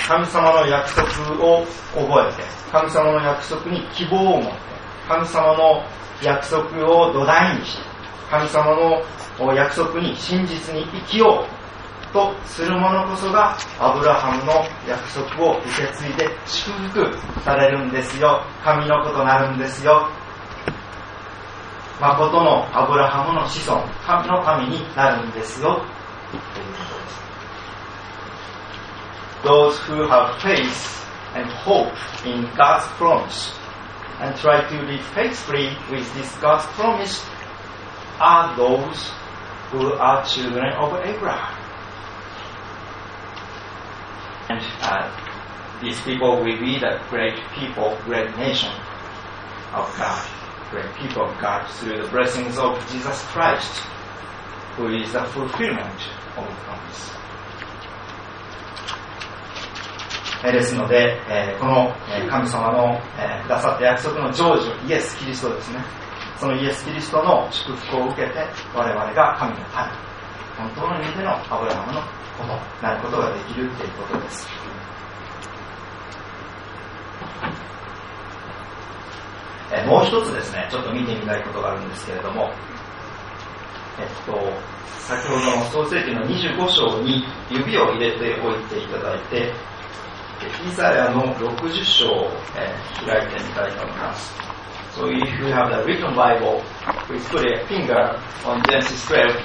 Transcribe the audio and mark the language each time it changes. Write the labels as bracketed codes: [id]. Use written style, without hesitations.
[ja] 神様の約束を覚えて、神様の約束に希望を持って、神様の約束を土台にして、神様の約束に真実に生きようとする者こそがアブラハムの約束を受け継いで祝福されるんですよ。神の子となるんですよ。誠のアブラハムの子孫、神の神になるんですよ。 [en] Those who have faith and hope in God's promise and try to live faithfully with this God's promise are those who are children of Abraham. And these people will be the great people, great nation of God, great people of God through the blessings of Jesus Christ, who is the fulfillment of the promise. [ja] ですので、この神様のくださった約束の成就、イエス・キリストですね。そのイエス・キリストの祝福を受けて、我々が神の民、本当の意味でのアブラハムのなることができるということです。もう一つですね、ちょっと見てみたいことがあるんですけれども、先ほどの創世記の25章に指を入れておいていただいて、イザヤの60章を、開いてみたいと思います。 [en] So if you have the written Bible, please put a finger on Genesis 12.